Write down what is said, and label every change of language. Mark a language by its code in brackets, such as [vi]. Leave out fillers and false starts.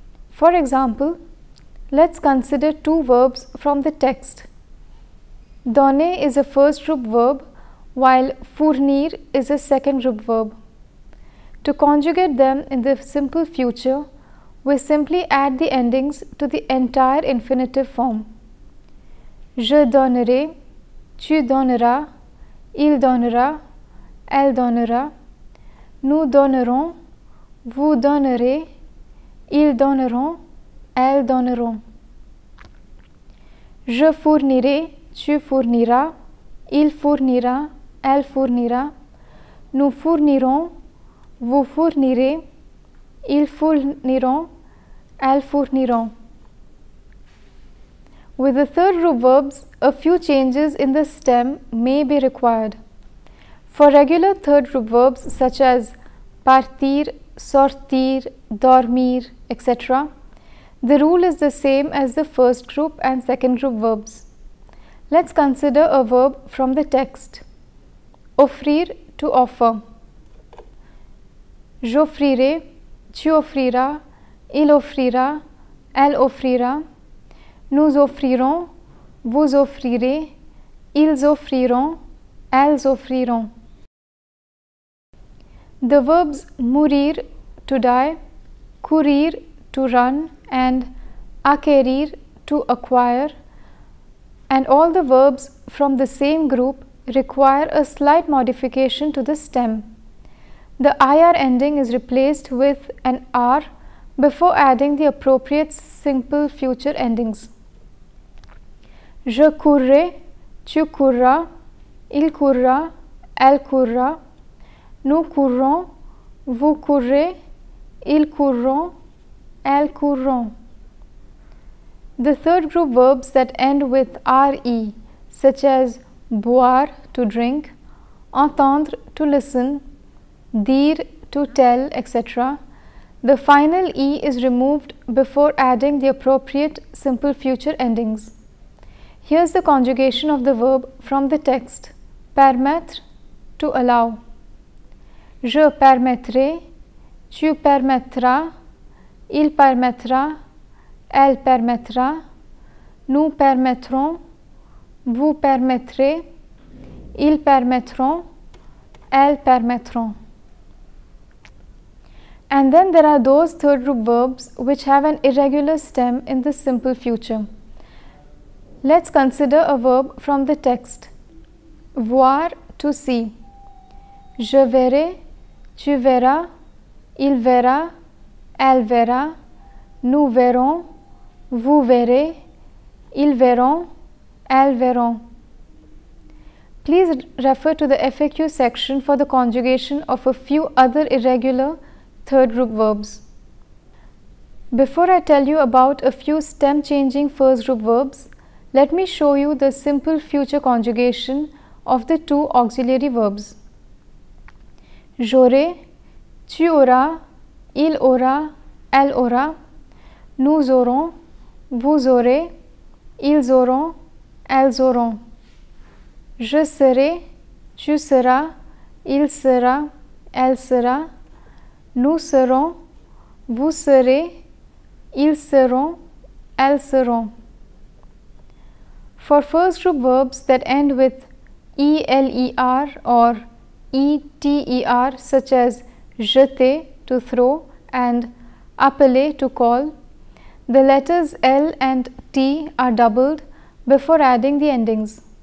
[en] For example, let's consider two verbs from the text. Donner is a first group verb, while fournir is a second group verb. To conjugate them in the simple future, we simply add the endings to the entire infinitive form. [fr] Je donnerai, tu donneras, il donnera, elle donnera, nous donnerons, vous donnerez, ils donneront, elles donneront. Je fournirai, tu fourniras, il fournira, elle fournira, nous fournirons, vous fournirez, ils fourniront, elles fourniront. [en] With the third group verbs, a few changes in the stem may be required. For regular third group verbs such as partir, sortir, dormir, etc., the rule is the same as the first group and second group verbs. Let's consider a verb from the text. Offrir, to offer. [fr] J'offrirai, tu offriras, il offrira, elle offrira, nous offrirons, vous offrirez, ils offriront, elles offriront. [en] The verbs mourir, to die, courir, to run, and acquérir, to acquire, and all the verbs from the same group require a slight modification to the stem. The IR ending is replaced with an R before adding the appropriate simple future endings. [fr] Je courrai, tu courras, il courra, elle courra, nous courrons, vous courrez, ils courront, elles courront. [en] The third group verbs that end with RE, such as boire, to drink, entendre, to listen, dire, to tell, etc. The final e is removed before adding the appropriate simple future endings. Here's the conjugation of the verb from the text: permettre, to allow. [fr] Je permettrai, tu permettras, il permettra, elle permettra, nous permettrons, vous permettrez, ils permettront, elles permettront. [en] And then there are those third group verbs which have an irregular stem in the simple future. Let's consider a verb from the text: voir, to see. [fr] Je verrai, tu verras, il verra, elle verra, nous verrons, vous verrez, ils verront, elles verront. [en] Please refer to the FAQ section for the conjugation of a few other irregular third group verbs. Before I tell you about a few stem changing first group verbs, let me show you the simple future conjugation of the two auxiliary verbs. [fr] J'aurai, tu auras, il aura, elle aura, nous aurons, vous aurez, ils auront, elles auront. Je serai, tu seras, il sera, elle sera, nous serons, vous serez, ils seront, elles seront. [en] For first group verbs that end with ELER or ETER, such as jeter, to throw, and appeler, to call, the letters L and T are doubled before adding the endings.